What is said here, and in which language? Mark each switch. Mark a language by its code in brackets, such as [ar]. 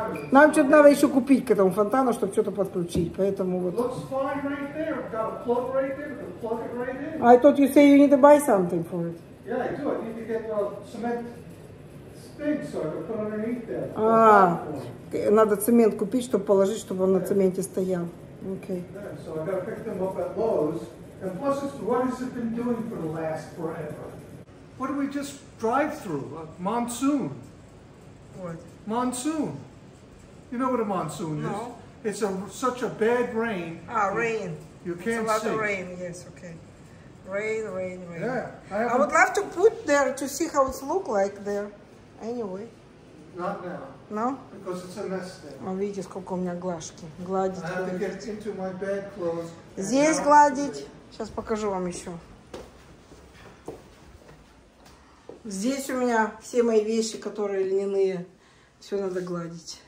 [ru] Нам что-то надо еще купить к этому фонтану, чтобы что-то подключить. Поэтому вот. [en] Looks fine right there. We've got a plug right there. We can plug it right in. I thought you say you need to buy something for it. Yeah, I do. I need to get a cement stick so I can put underneath there. [ru] Надо цемент купить, чтобы положить, чтобы он на цементе стоял. [en] Okay. So I gotta pick them up at Lowe's. And plus, what has it been doing for the last forever? What do we just drive through? A monsoon. Monsoon. You know what a monsoon is? It's such a bad rain. Rain. You can't see. It's a lot of rain, yes, okay. Rain. Yeah. I would love to put there to see how it looks like there. Anyway. Not now. No? Because it's a mess there. [ru] Oh, видите, сколько у меня глажки. Гладить. [en] I have to get into my bed clothes. [ru] Здесь гладить. Сейчас покажу вам еще. Здесь у меня все мои вещи, которые льняные. Все надо гладить.